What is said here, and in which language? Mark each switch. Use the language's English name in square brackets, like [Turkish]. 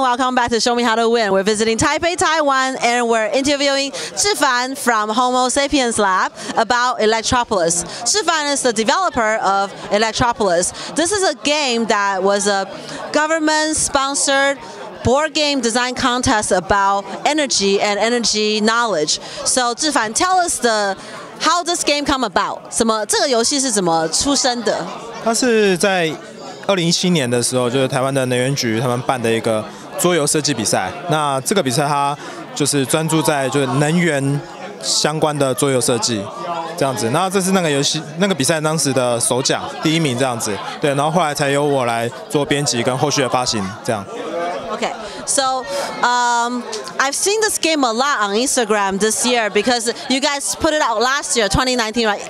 [English] Welcome back to Show Me How to Win. We're visiting Taipei, Taiwan, and we're interviewing Chih-Fan from Homosapiens Lab about Electropolis. Chih-Fan is the developer of Electropolis. This is a game that was a government-sponsored board game design contest about energy and energy knowledge. So, Chih-Fan, tell us how this game come about. [Chinese] 这个游戏是怎么出生的? 它是在 2017年的时候，就是台湾的能源局他们办的一个桌游设计比赛。那这个比赛它就是专注在就是能源相关的桌游设计，这样子。那这是那个游戏那个比赛当时的首奖第一名这样子。对，然后后来才由我来做编辑跟后续的发行这样。 [English] Okay, so I've seen this game a lot on Instagram this year because you guys put it out last year, 2019, right?